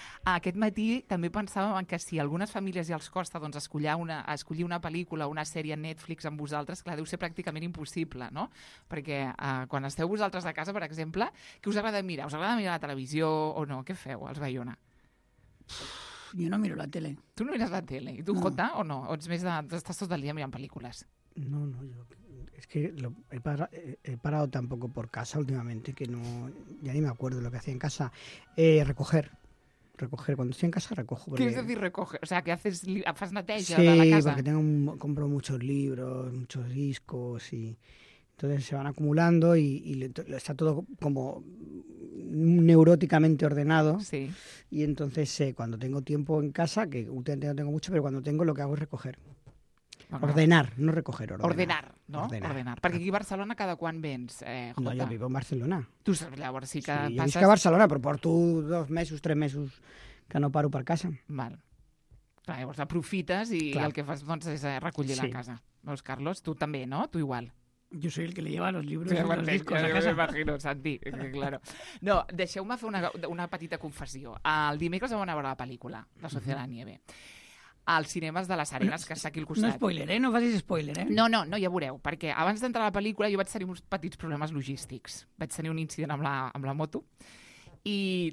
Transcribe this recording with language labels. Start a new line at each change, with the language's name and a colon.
Catalan: Aquest matí també pensàvem que si a algunes famílies ja els costa, doncs, escollir una pel·lícula o una sèrie Netflix amb vosaltres, clar, deu ser pràcticament impossible, no? Perquè quan esteu vosaltres a casa, per exemple, què us agrada mirar? Us agrada mirar la televisió o no? Què feu, els Bayona? Jo no miro la tele. Tu no mires la tele. I tu, no. Jota, o no? O ets més d'estar tot el dia mirant pel·lícules? No, jo...
Spanish: Es que he parado tan poco por casa últimamente que no... Ya ni me acuerdo lo que hacía en casa. Recoger. Recoger. Cuando estoy en casa, recojo. Porque... ¿Qué quieres decir recoger? O sea, que haces...
Catalan: ¿Fas neteja, sí, de la casa?
Spanish: Sí, porque compro muchos libros, muchos discos y... Entonces se van acumulando y está todo como... neuróticamente ordenado. Sí. Y entonces, cuando tengo tiempo en casa, que últimamente no tengo mucho, pero cuando tengo, lo que hago es recoger. Bueno, ordenar, no recoger, ordenar. Ordenar, ¿no? Ordenar.
Catalan: Perquè aquí a Barcelona cada quan vens, Jota?
Spanish: No, jo vivo en Barcelona.
Catalan: Tu llavors sí que sí, passes... Jo visc a Barcelona, però porto 2 mesos, 3 mesos que no paro per casa. Val. Clar, llavors aprofites i clar, el que fas doncs, és recollir sí, la casa. Veus, Carlos? Tu també, no? Tu igual.
Spanish: Yo soy el que le lleva los libros y los discos. Yo me imagino, Santi, claro.
Catalan: No, deixeu-me fer una petita confessió. El dimecres vam anar a veure la pel·lícula, La Sociedad de la Nieve, als cinemes de les Arenes, que està aquí al costat. No spoiler, no facis spoiler, No, no, no, ja veureu, perquè abans d'entrar a la pel·lícula jo vaig tenir uns petits problemes logístics. Vaig tenir un incident amb la moto i...